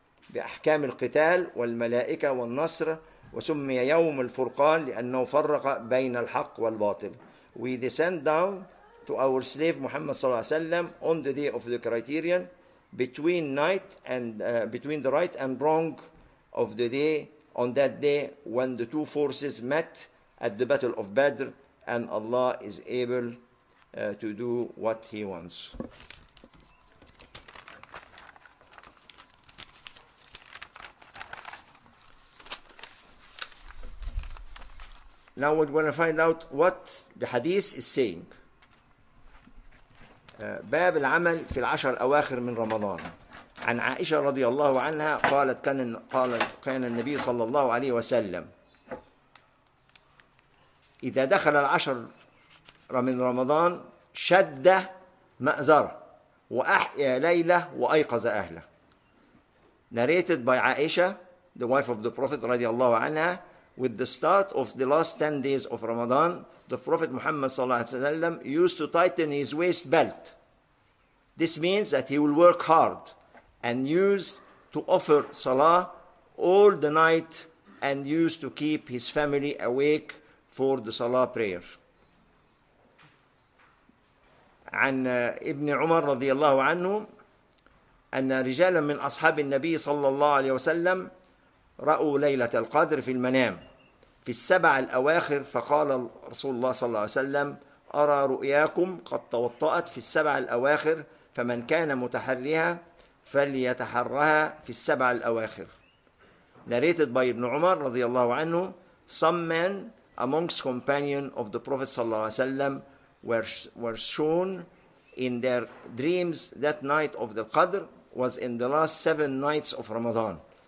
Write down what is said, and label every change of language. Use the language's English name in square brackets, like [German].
[Arabic] بأحكام القتال والملائكة والنصر، وسمي يوم الفرقان لأنه فرق بين الحق والباطل. [English] We descend down to our slave Muhammad صلى الله عليه وسلم on the day of the criterion between night and between the right and wrong of the day on that day when the two forces met at the battle of Badr, and Allah is able to do what he wants. Now we're going to find out what the hadith is saying. [Arabic] باب العمل في العشر الأواخر من رمضان. عن عائشة رضي الله عنها قالت كان النبي صلى الله عليه وسلم إذا دخل العشر من رمضان شد مأزره وأحيا ليله وأيقظ أهله. [English] Narrated by Aisha, the wife of the Prophet رضي الله عنها. With the start of the last 10 days of Ramadan, the Prophet Muhammad sallallahu alaihi wasallam used to tighten his waist belt. This means that he will work hard and used to offer salah all the night and used to keep his family awake for the salah prayer. [Arabic] عن ابن عمر رضي الله عنه أن رجالا من أصحاب النبي صلى الله عليه وسلم رأوا ليلة القدر في المنام في السبع الأواخر، فقال رسول الله صلى الله عليه وسلم أرى رؤياكم قد توطأت في السبع الأواخر، فمن كان متحرها فليتحرها في السبع الأواخر. [English] Narrated by Ibn Umar رضي الله عنه, some men amongst companions of the Prophet صلى الله عليه وسلم were shown in their dreams that night of the Qadr was in the last seven nights of Ramadan.